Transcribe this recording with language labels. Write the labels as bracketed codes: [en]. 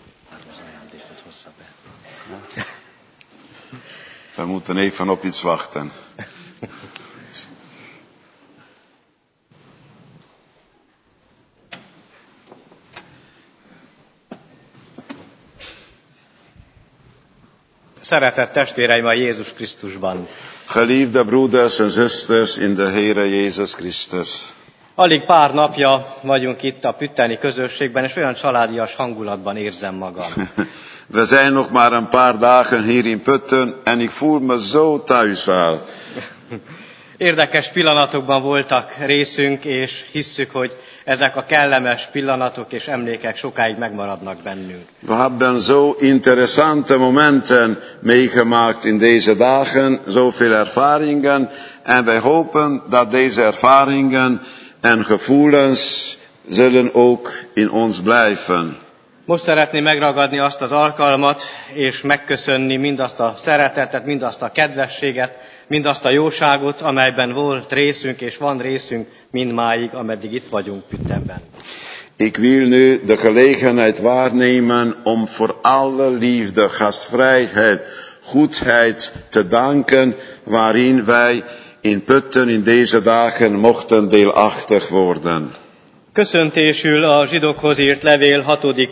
[hu] Már az ajándékot hozza be. [nl] We moeten even op iets wachten. [hu] Szeretett testvéreim a Jézus Krisztusban. [nl] Geliefde [en] brothers and sisters in the Heere Jesus Christus. [hu] Alig pár napja vagyunk itt a pütteni közösségben, és olyan családias hangulatban érzem magam. [nl] We zijn nog maar een paar dagen hier in Pütten, en ik voel me zo thuis al. [hu] Érdekes pillanatokban voltak részünk, és hisszük, hogy ezek a kellemes pillanatok és emlékek sokáig megmaradnak bennünk. [nl] We hebben zo interessante momenten meegemaakt in deze dagen, zoveel ervaringen, en wij hopen dat deze ervaringen en gevoelens zullen ook in ons blijven. [hu] Most szeretném megragadni azt az alkalmat, és megköszönni mindazt a szeretetet, mindazt a kedvességet, mindazt a jóságot, amelyben volt részünk, és van részünk mindmáig, ameddig itt vagyunk Püttenben. [nl] Ik wil nu de gelegenheid waarnemen om voor alle liefde, gastvrijheid, goedheid te danken, waarin wij in Pütten in deze dagen mochten deelachtig worden. [hu] Köszöntésül a zsidókhoz írt levél 6.